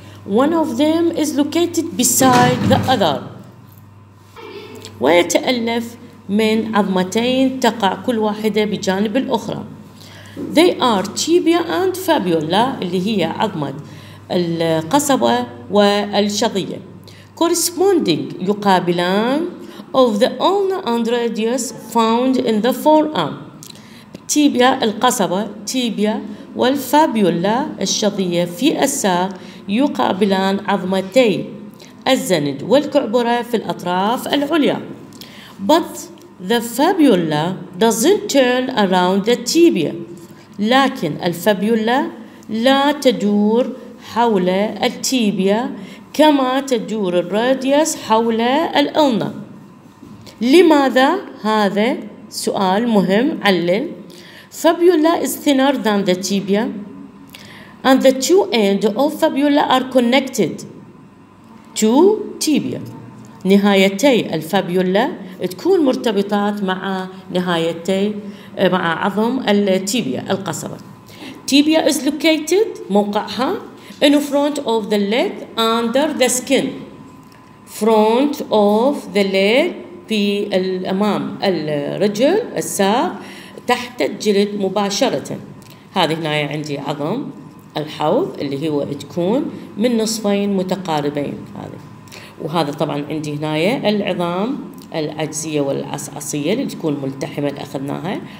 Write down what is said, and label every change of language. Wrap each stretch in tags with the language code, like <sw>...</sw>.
<en>One of them is located beside the other.</en> <ar>ويتألف من عظمتين تقع كل واحدة بجانب الأخرى.</ar> <en>They are tibia and fibula</en> <ar>اللي هي عظمة القصبة والشظية.</ar> <en>Corresponding يقابلان of the ulna and radius found in the forearm.</en> <ar>tibia القصبة tibia والفابيولا الشظية في الساق يقابلان عظمتي الزند والكعبرة في الأطراف العليا.</ar> <en>But the fibula doesn't turn around the tibia.</en> <ar>لكن الفابيولا لا تدور حول التيبيا كما تدور الراديوس حول الألنا. لماذا؟ هذا سؤال مهم. علل.</ar> <en>Fibula is thinner than the tibia, and the two ends of fibula are connected to tibia.</en> <ar>نهايتي الفابيولا تكون مرتبطات مع نهايتي مع عظم التيبيا القصبة.</ar> <en>Tibia is located موقعها in front of the leg under the skin. Front of the leg</en> <ar>في الأمام الرجل الساق تحت الجلد مباشرة. هذه هنا عندي عظم الحوض اللي هو تكون من نصفين متقاربين هذه. وهذا طبعا عندي هنا العظام العجزية والعصعصية اللي تكون ملتحمة اللي أخذناها.</ar>